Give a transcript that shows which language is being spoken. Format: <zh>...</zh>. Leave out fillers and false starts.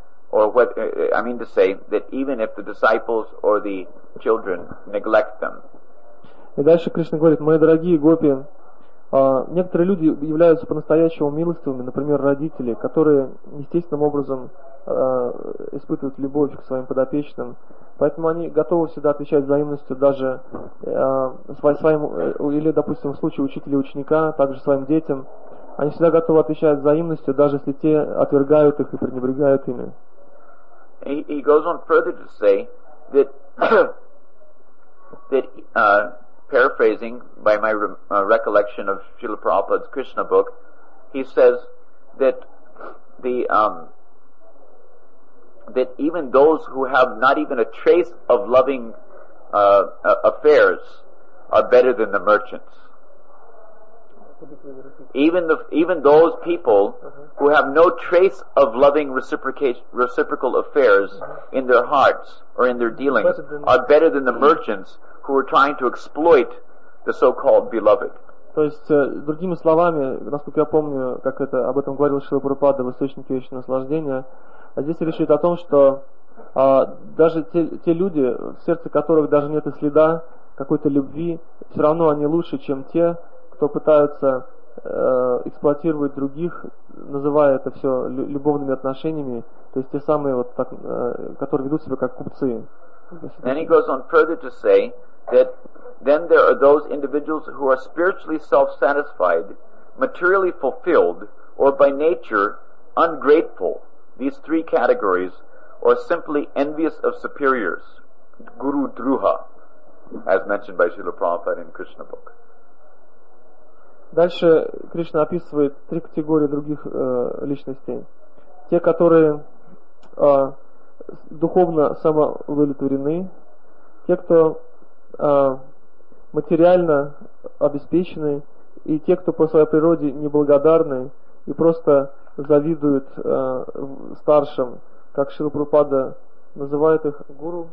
<en>or what I mean to say, that even if the disciples or the children neglect them.</en> <ru>И дальше Кришна говорит: мои дорогие гопи, некоторые люди являются по-настоящему милостивыми, например, родители, которые естественным образом испытывают любовь к своим подопечным, поэтому они готовы всегда отвечать взаимностью даже своим, или, допустим, в случае учителя и ученика, также своим детям, они всегда готовы отвечать взаимностью, даже если те отвергают их и пренебрегают ими.</ru> <en>He goes on further to say that that paraphrasing by my recollection of Srila Prabhupada's Krishna book, he says that the that even those who have not even a trace of loving affairs are better than the merchants. Even those people who have no trace of loving reciprocal affairs in their hearts or in their dealings are better than the merchants who are trying to exploit the so-called beloved.</en> <ru>То есть, другими словами, насколько я помню, как это об этом говорил Шрила Прабхупада в источнике вечного наслаждения, здесь речь идет о том, что даже те люди, в сердце которых даже нет и следа какой-то любви, все равно они лучше, чем те, кто пытаются эксплуатировать других, называя это все любовными отношениями, то есть те самые, вот так, которые ведут себя как купцы.</ru> <en>Then he goes on further to say that then there are those individuals who are spiritually self-satisfied, materially fulfilled, or by nature ungrateful, these three categories, or simply envious of superiors, guru druha, as mentioned by Srila Prabhupada in Krishna book.</en> <ru>Дальше Кришна описывает три категории других личностей. Те, которые духовно самоудовлетворены, те, кто материально обеспечены, и те, кто по своей природе неблагодарны и просто завидуют старшим, как Шрила Прабхупада называет их гуру.</ru>